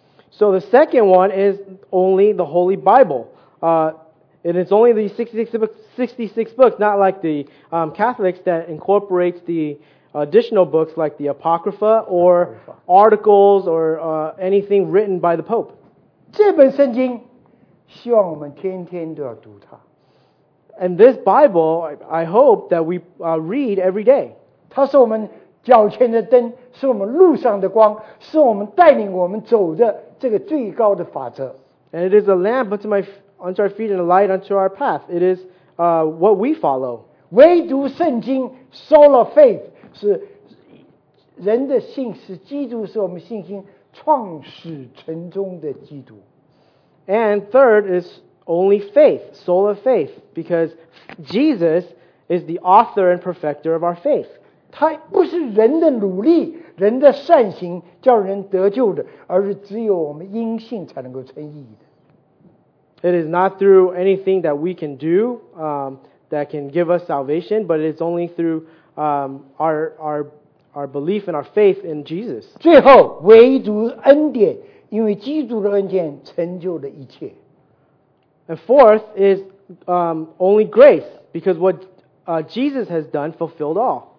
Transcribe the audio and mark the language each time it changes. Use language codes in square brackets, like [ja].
[en] So the second one is only the Holy Bible. And it's only the 66 books, not like the Catholics that incorporates the additional books like the Apocrypha or articles or anything written by the Pope. [zh] 这本圣经希望我们天天都要读它。 [en] And this Bible, I hope that we read every day. [zh] 它是我们脚前的灯，是我们路上的光，是我们带领我们走的这个最高的法则。 [en] And it is a lamp unto our feet and a light unto our path. It is what we follow. [zh] 唯独圣经 ，sola faith 是人的信，是基督，是我们信心创始成终的基督。 [en] And third is only faith, sola faith, because Jesus is the author and perfecter of our faith. [zh] 他不是人的努力。人的善行叫人得救的，而是只有我们因信才能够称义的。 [en] It is not through anything that we can do that can give us salvation, but it's only through our belief and our faith in Jesus. [zh] 最后，唯独恩典，因为基督的恩典成就了一切。 [en] And fourth is only grace, because what Jesus has done fulfilled all.